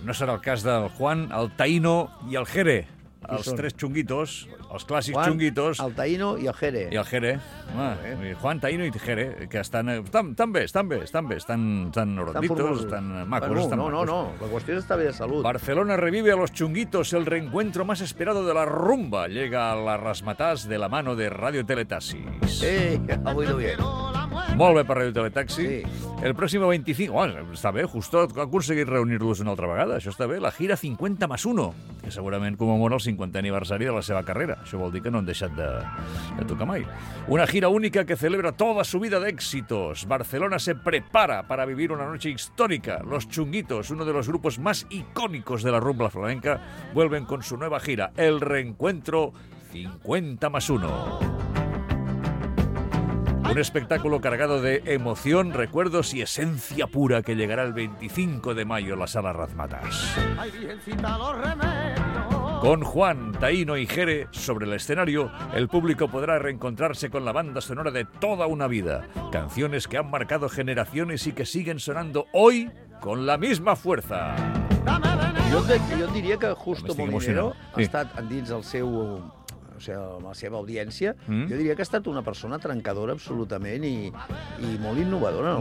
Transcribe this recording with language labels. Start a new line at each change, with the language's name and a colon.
Catalan: No serà el cas del Juan, el Taíno i el Jere. Els tres chunguitos, els clàssics Juan, chunguitos. El Taíno i el Jere. I el Jere. Juan, Taíno i Jere, que estan bé. Estan horonditos, estan macos. Bueno, no. La qüestió és estar bé de salut.
Spanish: Barcelona revive a los chunguitos, el reencuentro más esperado de la rumba. Llega a la Rasmatàs de la mano de Radio Teletaxi.
Catalan: Avui no bien. Molt bé per Radio Teletaxi. Sí.
Spanish: El próximo 25...
Catalan: Està bé, justo aconseguir reunir-los una altra vegada. Això està bé. La gira 50+1, que segurament comemora el 50è aniversari de la seva carrera. Això vol dir que no han deixat de tocar mai.
Spanish: Una gira única que celebra toda su vida de éxitos. Barcelona se prepara para vivir una noche histórica. Los chunguitos, uno de los grupos más icónicos de la rumba flamenca, vuelven con su nueva gira, el reencuentro 50+1. Un espectáculo cargado de emoción, recuerdos y esencia pura que llegará el 25 de mayo a la sala Rasmatàs. Ay, bien cita los remedios. Con Juan, Taíno y Jere sobre el escenario, el público podrá reencontrarse con la banda sonora de toda una vida. Canciones que han marcado generaciones y que siguen sonando hoy con la misma fuerza. Yo diría que
Catalan: Justo Molinero ha estat dins el seu... o sigui, amb la seva audiència, jo diria que ha estat una persona trencadora absolutament i molt innovadora en el